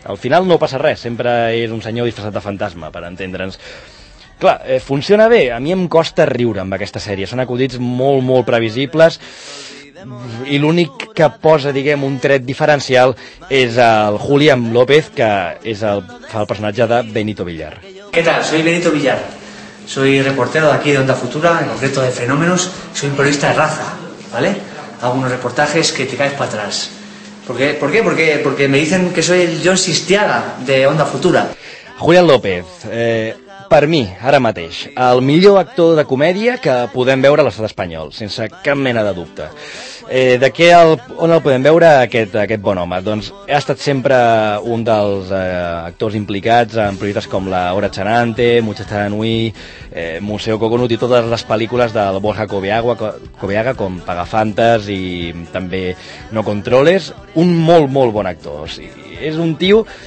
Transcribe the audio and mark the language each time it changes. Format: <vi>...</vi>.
<ca>Al final no passa res, sempre és un senyor disfressat de fantasma, per entendre'ns. Clar, funciona bé. A mi em costa riure amb aquesta sèrie. Són acudits molt, molt previsibles, i l'únic que posa, diguem, un tret diferencial és el Julián López, que és el personatge de Benito Villar.</ca> <es>¿Qué tal? Soy Benito Villar. Soy reportero de aquí de Onda Futura, en concreto de Fenómenos. Soy un periodista de raza, ¿vale? Hago unos reportajes que te caes para atrás. ¿Por qué? Porque me dicen que soy el John Sistiaga de Onda Futura.</es> <ca>Julián López, per mi, ara mateix, el millor actor de comèdia que podem veure a l'estat espanyol, sense cap mena de dubte. De què on el podem veure aquest bon home? Doncs ha estat sempre un dels actors implicats en projectes com La Hora Chanante, Muchacha de Nui, Museo Coconut i totes les pel·lícules del Borja Cobeaga, com Pagafantes i també No Controles. Un molt, molt bon actor. O sigui, és un tio</ca>